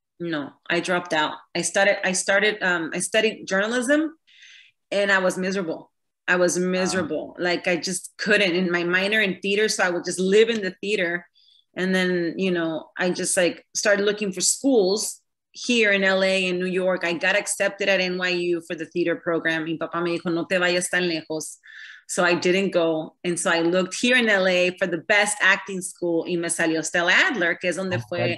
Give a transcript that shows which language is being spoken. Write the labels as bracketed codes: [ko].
[en] No, I dropped out. I studied journalism and I was miserable. I was miserable. Wow. Like I just couldn't, in my minor in theater. So I would just live in the theater. And then, you know, I just like started looking for schools here in LA and New York. I got accepted at NYU for the theater program. [es] Mi papá me dijo, no te vayas tan lejos. [en] So I didn't go. And so I looked here in LA for the best acting school. [es] Y me salió Stella Adler, que es donde fue.